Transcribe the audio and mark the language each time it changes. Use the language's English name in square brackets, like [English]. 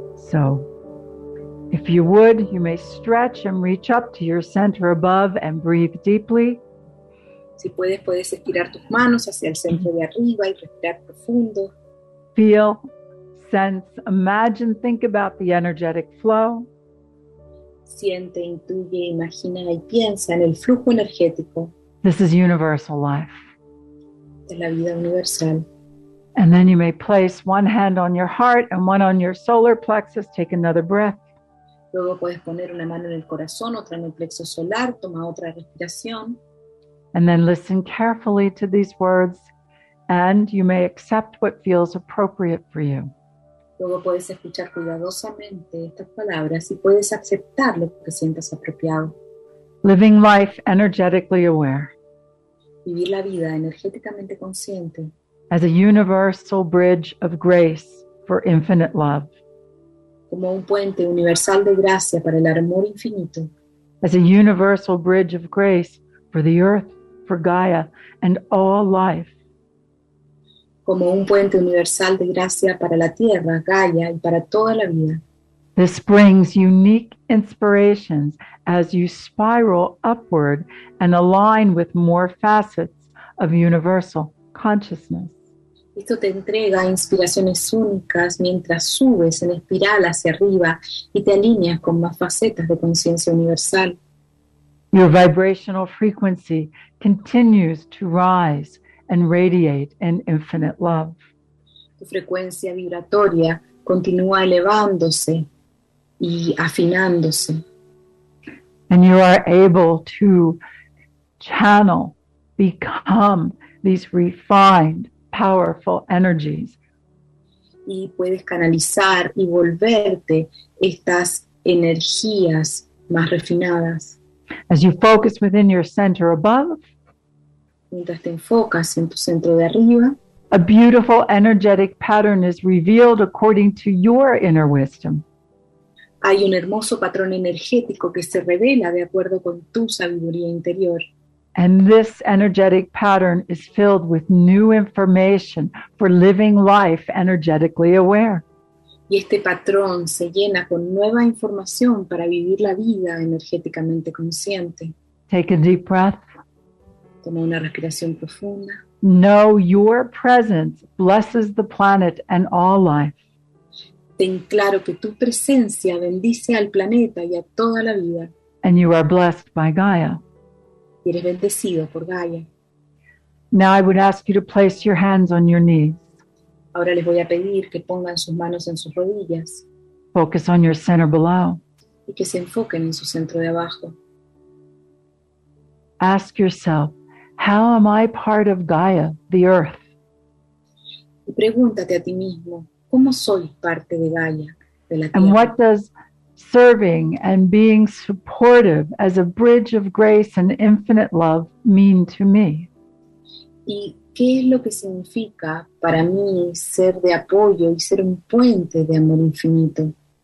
[English] So, if you would, you may stretch and reach up to your center above and breathe deeply. [Spanish] Si puedes, puedes estirar tus manos hacia el centro de arriba y respirar profundo. [English] Feel, sense, imagine, think about the energetic flow. [Spanish] Siente, intuye, imagina y piensa en el flujo energético. [English] This is universal life. [Spanish] De la vida universal. [English] And then you may place one hand on your heart and one on your solar plexus. Take another breath. [Spanish] Luego puedes poner una mano en el corazón, otra en el plexo solar. Toma otra respiración. [English] And then listen carefully to these words. And you may accept what feels appropriate for you. [Spanish] Luego puedes escuchar cuidadosamente estas palabras y puedes aceptar lo que sientas apropiado. [English] Living life energetically aware. [Spanish] Vivir la vida energéticamente consciente. [English] As a universal bridge of grace for infinite love. [Spanish] Como un puente universal de gracia para el amor infinito. [English] As a universal bridge of grace for the earth for Gaia and all life. [Spanish] Como un puente universal de gracia para la Tierra, Gaia, y para toda la vida. [English] This brings unique inspirations as you spiral upward and align with more facets of universal consciousness. [Spanish] Esto te entrega inspiraciones únicas mientras subes en espiral hacia arriba y te alineas con más facetas de conciencia universal. [English] Your vibrational frequency continues to rise and radiate in infinite love. [Spanish] Tu frecuencia vibratoria continúa elevándose y afinándose. [English] And you are able to channel, become these refined, powerful energies. [Spanish] Y puedes canalizar y volverte estas energías más refinadas. [English] As you focus within your center above, [Spanish] mientras te enfocas en tu centro de arriba, [English] a beautiful energetic pattern is revealed according to your inner wisdom. [Spanish] Hay un hermoso patrón energético que se revela de acuerdo con tu sabiduría interior. [English] And this energetic pattern is filled with new information for living life energetically aware. [Spanish] Y este patrón se llena con nueva información para vivir la vida energéticamente consciente. [English] Take a deep breath. [Spanish] Toma una respiración profunda. [English] Know your presence blesses the planet and all life. [Spanish] Ten claro que tu presencia bendice al planeta y a toda la vida. [English] And you are blessed by Gaia. [Spanish] Y eres bendecido por Gaia. [English] Now I would ask you to place your hands on your knees. [Spanish] Ahora les voy a pedir que pongan sus manos en sus rodillas. [English] Focus on your center below. [Spanish] Y que se enfoquen en su centro de abajo. [English] Ask yourself, how am I part of Gaia, the earth? [Spanish] Y pregúntate a ti mismo, ¿cómo soy parte de Gaia, de la Tierra? [English] And what does serving and being supportive as a bridge of grace and infinite love mean to me? [Spanish] ¿Y qué es lo que significa para mí ser de apoyo y ser un puente de amor infinito?